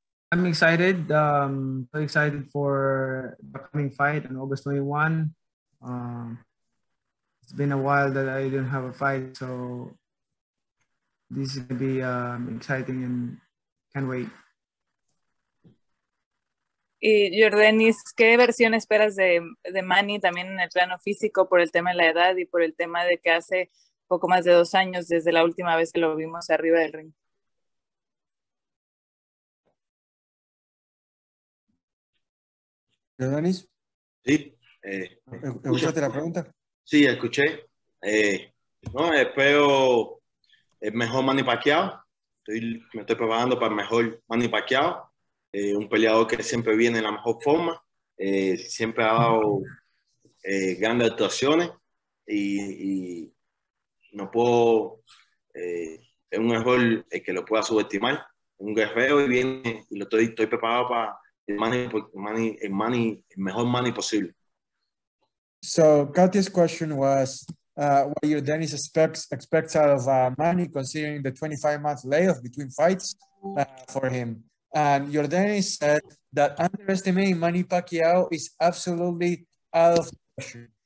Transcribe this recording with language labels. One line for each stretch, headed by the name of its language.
English: I'm excited. Very excited for the coming fight on August 21. It's been a while that I didn't have a fight, so this is gonna be exciting and can't wait.
Spanish: Y Jordanis, ¿qué versión esperas de Manny también en el plano físico por el tema de la edad y por el tema de que hace poco más de 2 años desde la última vez que lo vimos arriba del ring? ¿Jordanis? Sí. ¿Escuchaste la pregunta? Sí, escuché. No, espero el mejor Manny Pacquiao. Me estoy preparando para el mejor Manny Pacquiao. Un peleador que siempre viene en la mejor forma. Siempre ha dado grandes actuaciones. Y no puedo... es un error el que lo pueda subestimar. Un guerrero y viene y lo estoy preparado para...
English: So Katia's question was what your Dennis expects out of Manny considering the 25 month layoff between fights for him. And your Dennis said that underestimating Manny Pacquiao is absolutely out of question.